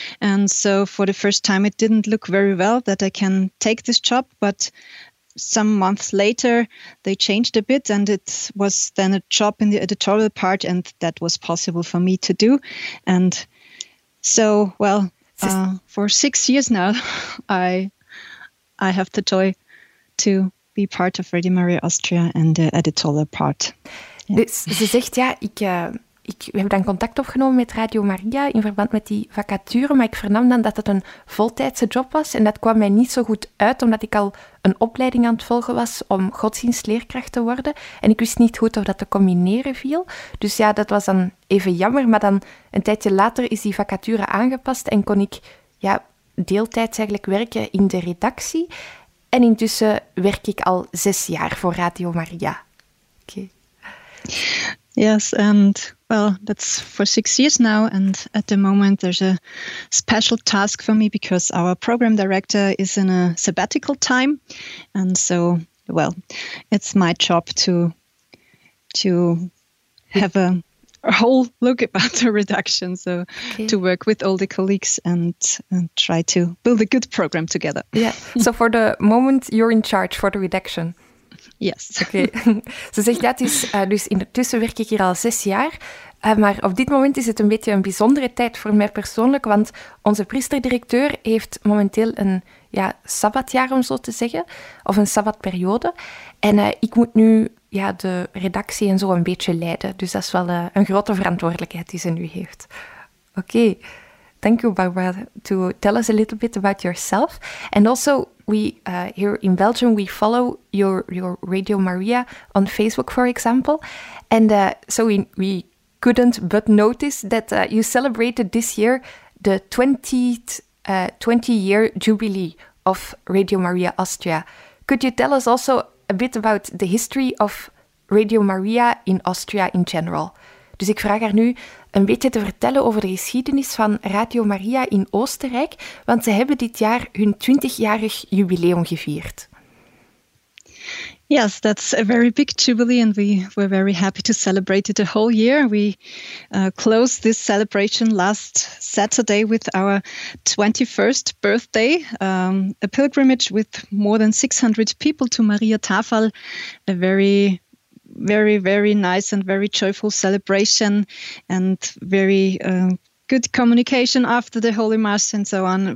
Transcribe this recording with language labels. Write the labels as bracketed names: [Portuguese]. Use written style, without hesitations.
[English] And so for the first time it didn't look very well that I can take this job, but some months later they changed a bit, and it was then a job in the editorial part, and that was possible for me to do. And so, well, for 6 years now I have the joy to be part of Radio Maria Austria and the editorial part. Yeah. [Dutch] Dus ze zegt, ja, ik heb dan contact opgenomen met Radio Maria in verband met die vacature, maar ik vernam dan dat het een voltijdse job was en dat kwam mij niet zo goed uit, omdat ik al een opleiding aan het volgen was om godsdienstleerkracht te worden en ik wist niet goed of dat te combineren viel. Dus ja, dat was dan even jammer, maar dan een tijdje later is die vacature aangepast en kon ik deeltijds eigenlijk werken in de redactie. En intussen werk ik al 6 jaar voor Radio Maria. [English] Okay. Yes, and well, that's for 6 years now. And at the moment, there's a special task for me because our program director is in a sabbatical time. And so, well, it's my job to have a whole look about the reduction. So okay. To work with all the colleagues and try to build a good program together. Yeah. So for the moment, you're in charge for the reduction. Yes. Okay. [Dutch] Ze zegt dat is, dus intussen werk ik hier al 6 jaar. Maar op dit moment is het een beetje een bijzondere tijd voor mij persoonlijk, want onze priesterdirecteur heeft momenteel een sabbatjaar, om zo te zeggen, of een sabbatperiode. En ik moet nu de redactie en zo een beetje leiden. Dus dat is wel een grote verantwoordelijkheid die ze nu heeft. Oké. Okay. [English] Thank you, Barbara, to tell us a little bit about yourself. And also, we here in Belgium, we follow your Radio Maria on Facebook, for example. And so we couldn't but notice that you celebrated this year the 20-year jubilee of Radio Maria Austria. Could you tell us also a bit about the history of Radio Maria in Austria in general? [Dutch] Dus ik vraag haar nu een beetje te vertellen over de geschiedenis van Radio Maria in Oostenrijk, want ze hebben dit jaar hun 20-jarig jubileum gevierd. [English] Yes, that's a very big jubilee and we were very happy to celebrate it a whole year. We closed this celebration last Saturday with our 21st birthday, a pilgrimage with more than 600 people to Maria Tafel, a very, very, very nice and very joyful celebration and very good communication after the Holy Mass and so on.